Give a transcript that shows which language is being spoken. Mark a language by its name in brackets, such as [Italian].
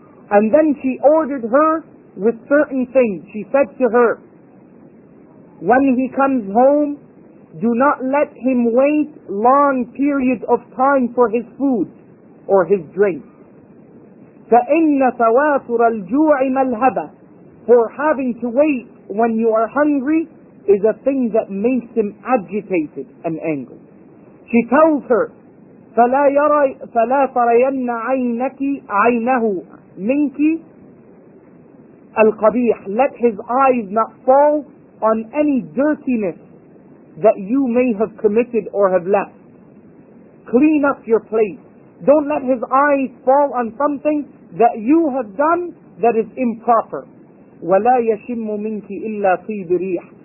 [English] And then she ordered her with certain things. She said to her, when he comes home, do not let him wait long periods of time for his food or his drink. [Arabic] فَإِنَّ تَوَاثُرَ الْجُوعِ مَلْهَبَةٌ. [English] For having to wait when you are hungry is a thing that makes him agitated and angry. She tells her, [Arabic] فَلَا تَرَيَنَّ عَيْنَكِ عَيْنَهُ مِنْكِ الْقَبِيحِ. [English] Let his eyes not fall on any dirtiness that you may have committed or have left. Clean up your plate. Don't let his eyes fall on something that you have done that is improper. [Arabic] وَلَا يَشِمُّ مِنْكِ إِلَّا طِيبِ رِيحٍ.